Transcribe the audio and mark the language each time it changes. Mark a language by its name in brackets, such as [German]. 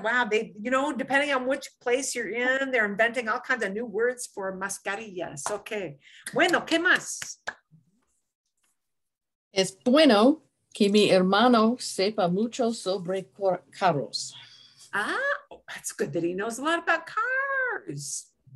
[English] Wow, they, you know, depending on which place you're in, they're inventing all kinds of new words for mascarillas. [Spanish] Okay. Bueno, ¿qué más? Es bueno que mi hermano sepa mucho sobre carros. [English] Ah, that's good that he knows a lot about cars.